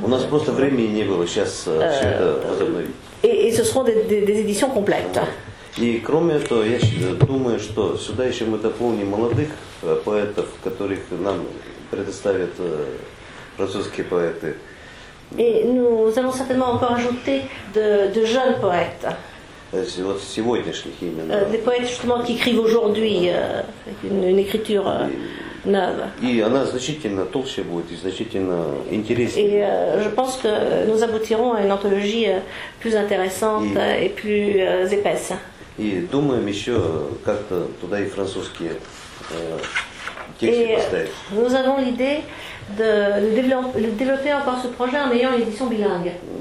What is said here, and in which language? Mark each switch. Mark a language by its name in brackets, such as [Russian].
[Russian] У нас просто времени не было сейчас все это возобновить. [French] Et ce seront des éditions complètes. [Russian] И кроме этого, я думаю, что сюда еще мы дополним молодых поэтов, которых нам предоставят французские поэты. [French] Et nous allons certainement encore ajouter de jeunes poètes. [Russian] Вот сегодняшних именно. [French] Des poètes justement qui écrivent aujourd'hui une écriture neuve. [Russian] И она значительно толще будет и значительно интереснее. [French] Et je pense que nous aboutirons à une anthologie plus intéressante et plus épaisse. [Russian] И думаем еще как-то туда и французские текстes поставить. [French] Nous avons l'idée de développer encore ce projet en ayant une édition bilingue.